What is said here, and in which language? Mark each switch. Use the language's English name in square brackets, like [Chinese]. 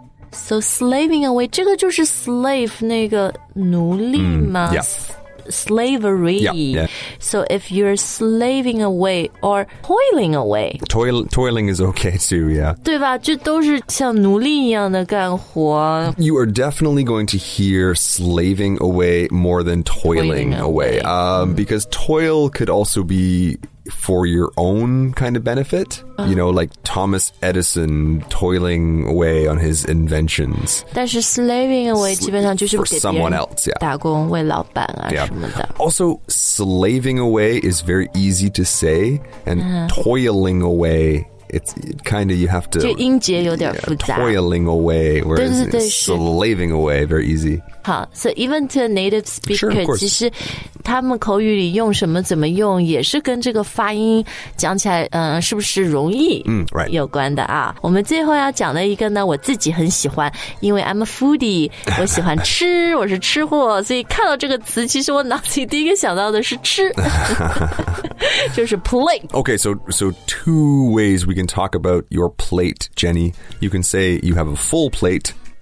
[English] So slaving away [Chinese] 这个就是 [English] slave [Chinese] 那个奴隶吗、 [English] Slavery So if you're slaving away Or toiling away Toiling is okay too, yeah [Chinese] 对吧这都是像奴隶一样的干活 [English] You are definitely going to hear Slaving away more than toiling away、Because toil could also be For your own kind of benefit、You know, like Thomas Edison Toiling away on his inventions [Chinese] 但是 [English] slaving away [Chinese] 基本上就是 [English] For someone else, yeah [Chinese] 打工为老板啊、什么的 [English] Also, slaving away is very easy to say And、toiling away It's it kind of, you have to [Chinese] 这音节有点复杂 [English] Toiling away Whereas [Chinese] 对对对 [English] slaving away, very easy 好 So even to a native speaker sure, [Chinese] 其实他们口语里用什么怎么用也是跟这个发音讲起来、是不是容易有关的啊、我们最后要讲的一个呢我自己很喜欢因为 [English] I'm a foodie [Chinese] 我喜欢吃我是吃货所以看到这个词其实我脑子里第一个想到的是吃就是 plate [English] Okay, so two ways we can talk about your plate, Jenny You can say you have a full plate